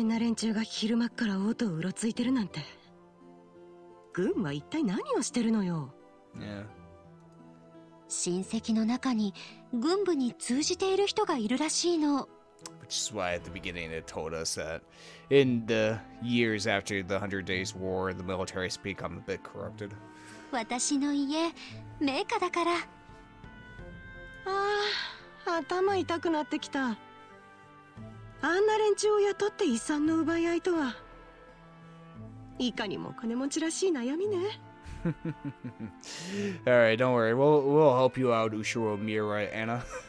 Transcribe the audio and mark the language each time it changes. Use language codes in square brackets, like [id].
[ja] 最近ではあの黒い人たちが雇われているみたい。私が正式に相続しなければ遺言状は無効になるから。多分それで捕まえようとしているのだと思う。あの戦闘能力、ただのチンピラじゃないわ。あんな危険な連中が昼間から王都をうろついてるなんて。軍は一体何をしてるのよ。 [en] Yeah. [ja] 親戚の中に軍部に通じている人がいるらしいの。 [en] Which is why at the beginning it told us that in the years after the Hundred Days War, the military has become a bit corrupted. [ja] 私の家、名家だから。ああ、頭痛くなってきた。あんな連中を雇って遺産の奪い合いとは。いかにも金持ちらしい悩みね。 [en] Alright, don't worry. We'll help you out, Ushiro Mira, Aina.